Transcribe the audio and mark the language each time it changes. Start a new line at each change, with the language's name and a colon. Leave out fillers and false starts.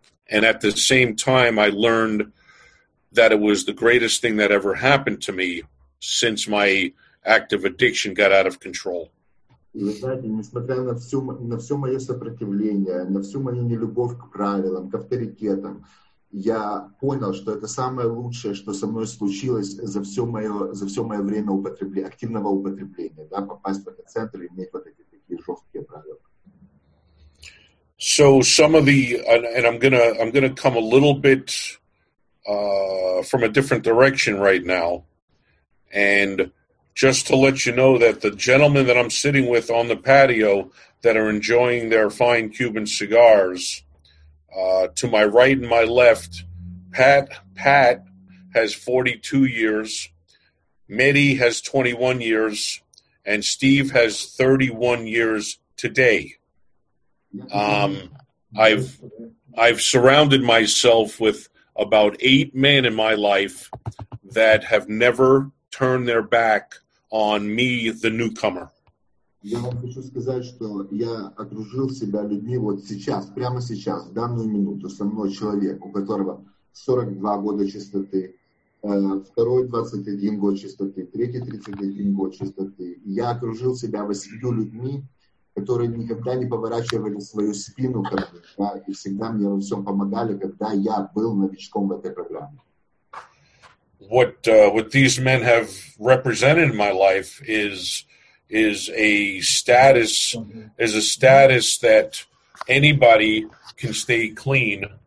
English: And at the same time, I learned that it was the greatest thing that ever happened to me since my active addiction got out of control.
Russian: И вы знаете, несмотря на все мое сопротивление, на всю мою нелюбовь к правилам, к авторитетам, я понял, что это самое лучшее, что со мной случилось за все мое время активного употребления, да, попасть в этот центр и иметь вот эти такие жесткие правила.
English: So some of the, and I'm gonna come a little bit from a different direction right now, and just to let you know that the gentlemen that I'm sitting with on the patio that are enjoying their fine Cuban cigars, to my right and my left, Pat has 42 years, Mehdi has 21 years, and Steve has 31 years today. I've surrounded myself with about 8 men in my life that have never turned their back on me, the newcomer.
Russian: Я вам хочу сказать, что я окружил себя людьми вот сейчас, прямо сейчас, в данную минуту, со мной человек, у которого 42 года чистоты, второй 21 год чистоты, третий 31 год чистоты. Я окружил себя 8 людьми, которые никогда не поворачивали свою спину, да, и всегда мне во всем помогали, когда я был новичком в этой программе.
English: What these men have represented in my life is a status that anybody can stay clean,